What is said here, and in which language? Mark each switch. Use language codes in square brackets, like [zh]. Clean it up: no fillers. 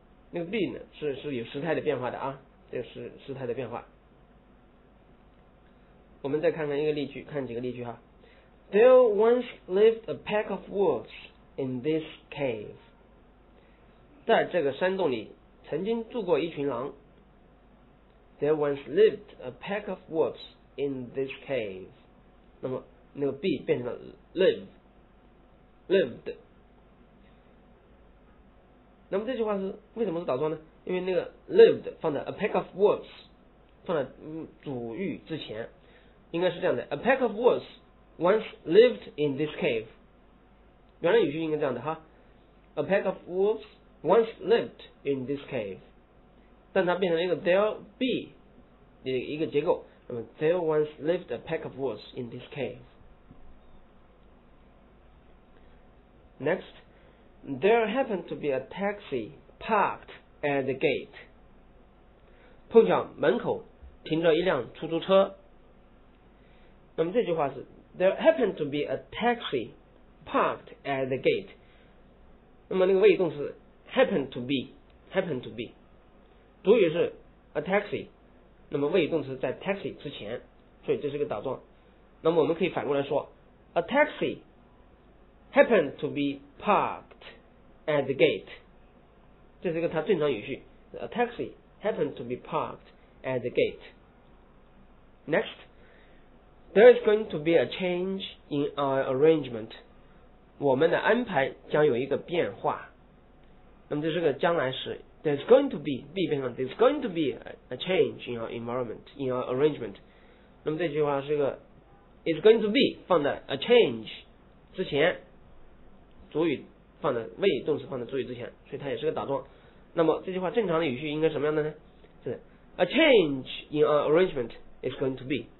[zh] 那个 be 呢是有时态的变化的啊，这个是时态的变化。我们再看看一个例句，看几个例句哈。 [en] There once lived a pack of wolves in this cave. [zh] 在这个山洞里曾经住过一群狼。 [en] There once lived a pack of wolves in this cave. [zh] 那么那个 be 变成了 live, lived. 那么这句话是为什么是倒装呢？因为那个 lived 放在 [en] a pack of wolves [zh] 放在主语之前。应该是这样的 [en] ，A pack of wolves once lived in this cave。 [zh] 原来语序应该这样的哈 [en] ，A pack of wolves once lived in this cave。 [zh] 但它变成一个 there be 的一个结构，那么 [en] there once lived a pack of wolves in this cave。 Next, there happened to be a taxi parked at the gate。 [zh] 碰巧门口停着一辆出租车。那么这句话是 [en] There happened to be a taxi parked at the gate。 [zh] 那么那个谓语动词 [en] happened to be [zh] 主语是 [en] a taxi， [zh] 那么谓语动词在 taxi 之前，所以这是个倒装。那么我们可以反过来说 [en] a taxi happened to be parked at the gate， [zh] 这是一个它正常语序 a taxi happened to be parked at the gate。 [en] nextThere is going to be a change in our arrangement. [zh] 我们的安排将有一个变化。那么这是个将来时。 [en] There is going to be [zh] 变成 [en] There is going to be a change in our environment, in our arrangement. [zh] 那么这句话是个 [en] It's going to be [zh] 放在 [en] a change [zh] 之前，主语放在谓语动词放在主语之前，所以它也是个倒装。那么这句话正常的语序应该什么样的呢？是 [en] A change in our arrangement is going to be。